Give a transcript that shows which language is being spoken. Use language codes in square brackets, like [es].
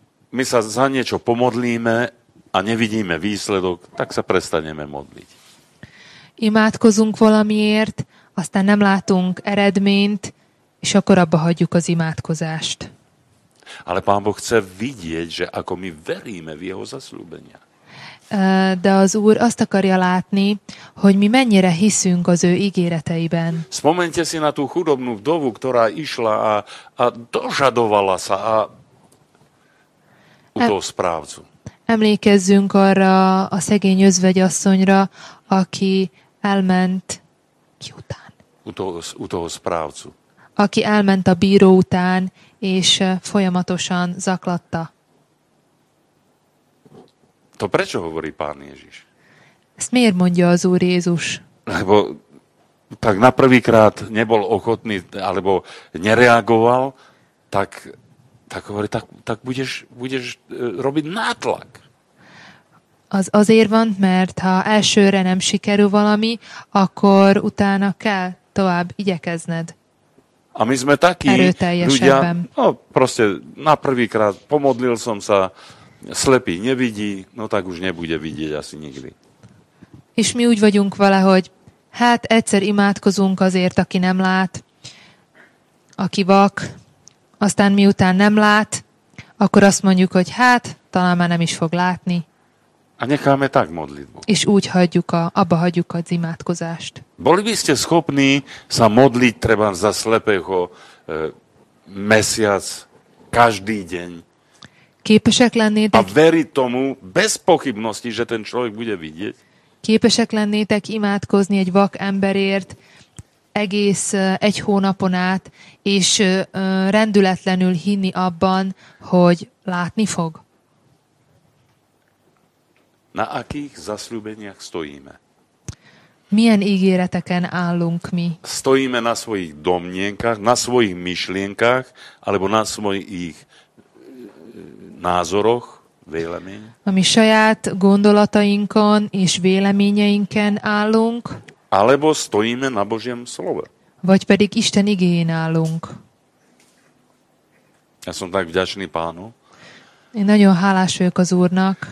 [sk] My sa za niečo pomodlíme a nevidíme výsledok, tak sa prestaneme modliť. [hu] Imádkozunk valamiért, aztán nem látunk eredményt, és akkor abba hagyjuk az imádkozást. [sk] Ale Pán Boh chce vidieť, že ako my veríme v jeho zasľúbenia. [hu] De az Úr azt akarja látni, hogy mi mennyire hiszünk az ő ígéreteiben. [sk] Spomente si na tú chudobnú vdovu, ktorá išla a dožadovala sa a u toho správcu. [hu] Emlékezzünk arra a szegény özvegyasszonyra, aki elment ki után. [sk] U toho správcu. [hu] Aki elment a bíró után, és folyamatosan zaklatta. [sk] To prečo hovorí Pán Ježiš? [hu] Ezt miért mondja az Úr Jézus? [sk] Lebo tak na prvýkrát nebol ochotný, alebo nereagoval, tak hovorí, tak budeš robiť nátlak. [hu] Az azért van, mert ha elsőre nem sikerül valami, akkor utána kell tovább igyekezned. [sk] A my sme takí ľudia, no proste na prvýkrát pomodlil som sa, slepý nevidí, no tak už nebude vidieť asi nikdy. [hu] És mi úgy vagyunk vele, hogy hát egyszer imádkozunk azért, aki nem lát, aki vak, aztán miután nem lát, akkor azt mondjuk, hogy hát talán már nem is fog látni. [sk] A necháme tak modlitbu. [hu] És úgy abba hagyjuk az imádkozást. [sk] Boli by ste schopní sa modliť treba za slepého mesiac, každý deň? [hu] Képesek lennétek? [sk] A veriť tomu bez pochybnosti, že ten človek bude vidieť? [hu] Képesek lennétek imádkozni egy vak emberért egész egy hónapon át, és rendületlenül hinni abban, hogy látni fog? [sk] Na akých zasľúbeniach stojíme? [hu] Milyen ígéreteken állunk mi? [sk] Stojíme na svojich domnienkách, na svojich myšlienkách, alebo na svojich názoroch, [hu] vélemény? A mi saját gondolatainkon és véleményeinken állunk. [sk] Alebo stojíme na Božiem slove. [hu] Vagy pedig Isten igéjén állunk. [sk] Ja som tak vďačný Pánu. [hu] Én nagyon hálás vagyok az Úrnak.